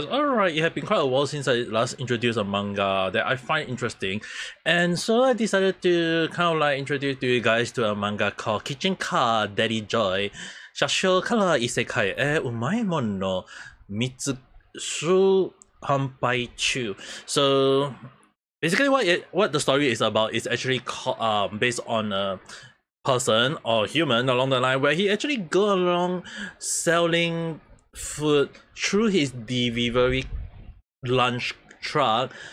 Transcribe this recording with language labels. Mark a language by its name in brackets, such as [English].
[English] Alright, it had been quite a while since I last introduced a manga that I find interesting. And so I decided to kind of like introduce you guys to a manga called Kitchen Car Deli-joy. [Japanese] 車窓から異世界へ美味いもの密輸販売中。 [English] So basically what the story is about is actually called, based on a person or human along the line where he actually go along selling food through his delivery lunch truck.